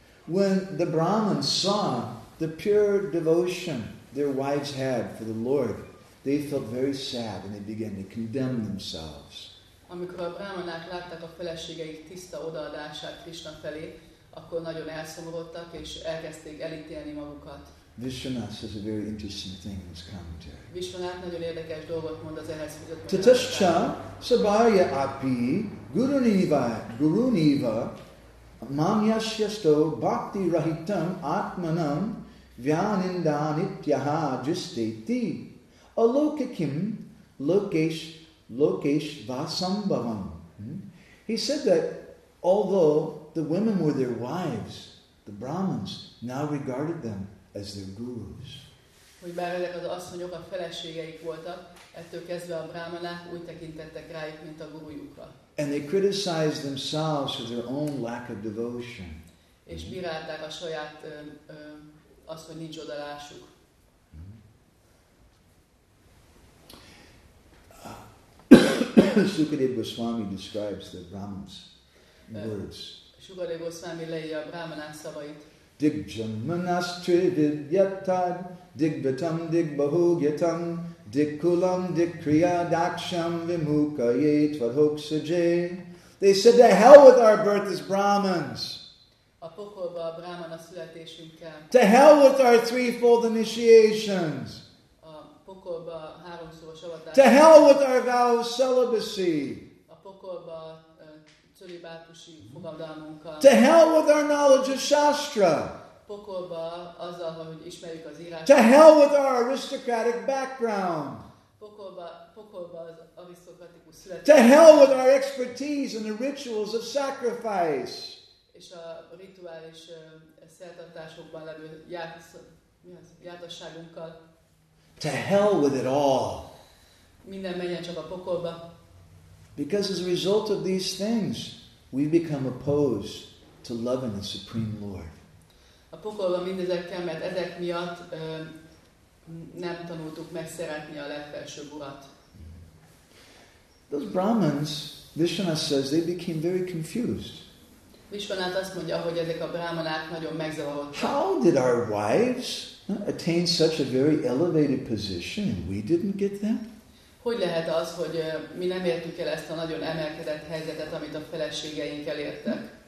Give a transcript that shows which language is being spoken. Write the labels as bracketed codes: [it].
[en] When the Brahman saw the pure devotion their wives had for the Lord, they felt very sad and they began to condemn themselves. [hu] Amikor a brahmanák látták a feleségeik tiszta odaadását Krishna felé, akkor nagyon elszomorodtak és elkezdték elítélni magukat. [en] Vishwanath says a very interesting thing in his commentary. [hu] Vishwanath nagyon érdekes dolgot mond az ehhez [sa] kapcsolatban. Tatascha sabarya api guruniva mamyasyasto bhakti rahitam atmanam vyanindanityaha jisteti alokikim lokesh vasambhavam. [en] He said that although the women were their wives, the Brahmins now regarded them as their gurus. [hu] Hogy bár ezek az asszonyok a feleségeik voltak, ettől kezdve a brahmanák úgy tekintettek rájuk, mint a gurujukra. [en] And they criticized themselves for their own lack of devotion. [hu] És bírálták a saját azt, hogy nincs odalásuk. [en] Sukadeva Goswami describes the Brahmins' words. [hu] Sukadeva Goswami leírja a brahmanák szavait. [sa] Digjamanastrivyatad, digbatam digbahogyatam, digkulam digkriyadaksham vimukaye tvadhoksaje. [en] They said, to hell with our birth as Brahmins. [hu] A pokolba a brahmana születésünkkel. [en] To hell with our threefold initiations. [hu] A pokolba a háromszoros avatás. [en] To hell with our vow of celibacy. [hu] A pokolba a cölibátusi fogadalmunkkal. [en] To hell with our knowledge of Shastra. [hu] Pokolba azzal, hogy ismerjük az írásokat. [en] To hell with our aristocratic background. [hu] Pokolba az arisztokratikus [en] születés. To hell with our expertise in the rituals of sacrifice. [hu] És a rituális szertartásokban levő jártasságunkkal. [en] To hell with it all. [hu] Minden menjen csak a pokolba. [en] Because as a result of these things, we become opposed to loving the Supreme Lord. [hu] A pokolba mindezekkel, mert ezek miatt nem tanultuk meg szeretni a legfelsőbb urat. [en] Those Brahmins, Vishwanath says, they became very confused. [hu] Vishwanath azt mondja, hogy ezek a brahmanák nagyon megzavarodtak. [en] How did our wives attain such a very elevated position and we didn't get that? [hu] Hogy lehet az, hogy mi nem értük el ezt a nagyon emelkedett helyzetet, amit a feleségeink elértek?